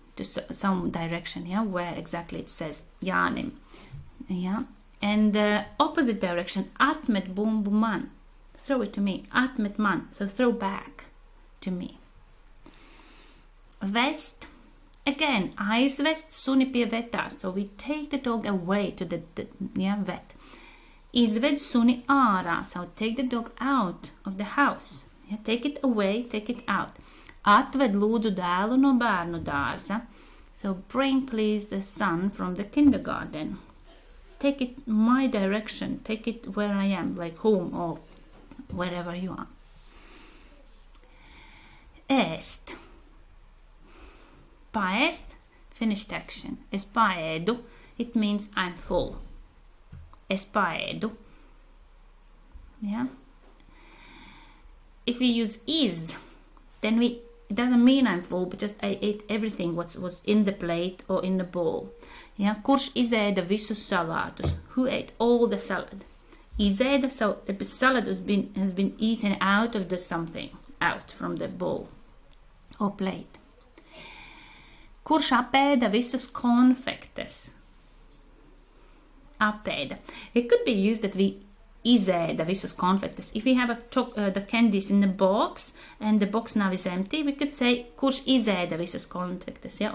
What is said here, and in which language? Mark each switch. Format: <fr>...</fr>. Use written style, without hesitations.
<en>To some direction, yeah, where exactly it says Janim, yeah, and the opposite direction,</en> <lv>atmet bumbu man,</lv> <en>throw it to me,</en> <lv>atmet man,</lv> <en>so throw back to me. Vest, again,</en> <lv>aizvest suni pie veta,</lv> <en>so we take the dog away to the yeah, vet.</en> <lv>Izved suni ārā,</lv> <en>so take the dog out of the house, yeah, take it away, take it out.</en> <lv>Atved lūdzu dēlu no bērnu dārza.</lv> <en>So bring please the son from the kindergarten. Take it my direction. Take it where I am, like home or wherever you are.</en> <lv>Est. Paest.</lv> <en>Finished action.</en> <lv>Es paēdu.</lv> <en>It means I'm full.</en> <lv>Es paēdu.</lv> <en>Yeah. If we use is, then it doesn't mean I'm full, but just I ate everything what was in the plate or in the bowl. Yeah.</en> <lv>Kurš izēda visus salātus?</lv> <en>Who ate all the salad?</en> <lv>Izēda,</lv> <en>so the salad has been eaten out of the something, out from the bowl or plate.</en> <lv>Kurš apēda visus konfektes? Apēda.</lv> <en>It could be used that we</en> <lv>izēda visus konfektes.</lv> <en>If we have the candies in the box and the box now is empty, we could say</en> <lv>kurš izēda visus konfektes.</lv> <en>Yeah?</en>